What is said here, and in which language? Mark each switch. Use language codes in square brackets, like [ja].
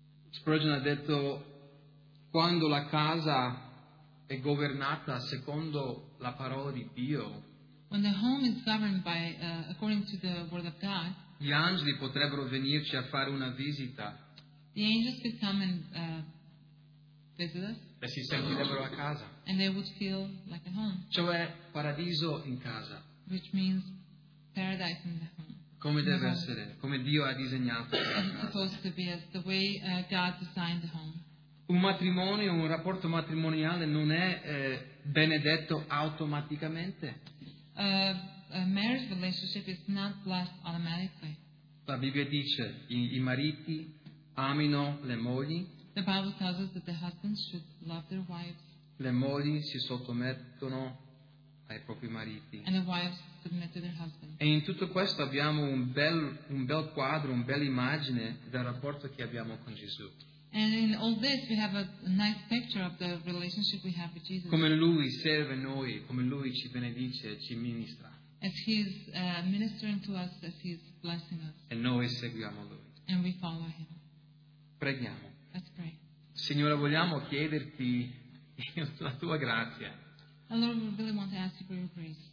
[it] Spurgeon ha detto, quando la casa è governata secondo la parola di Dio, [en] when the home is governed by according to the word of God, [it] gli angeli potrebbero venirci a fare una visita. [en] The angels could come and visit us. [it] E si sentirebbero a casa. [en] And they would feel like a home. [it] Cioè paradiso in casa. [en] Which means paradise in the home. [it] Come deve essere, come Dio ha disegnato la casa. [en] It's supposed to be as the way God designed the home. [it] Un matrimonio, un rapporto matrimoniale non è benedetto automaticamente. [en] A marriage relationship is not blessed automatically. [it] La Bibbia dice i mariti amino le mogli. [en] The Bible tells us that the husbands should love their wives. [it] Le mogli si sottomettono ai propri mariti. [en] And the wives submit to their husbands. [it] E in tutto questo abbiamo un bel quadro, un bel immagine del rapporto che abbiamo con Gesù. [en] And in all this, we have a nice picture of the relationship we have with Jesus. [it] Come lui serve noi, come lui ci benedice e ci ministra. [en] as he's ministering to us, as he's blessing us. [it] E noi seguiamo lui. [en] And we follow him. [it] Preghiamo. [en] Let's pray. [it] Signore, vogliamo chiederti la tua grazia. [en] Lord, we really want to ask you for your grace.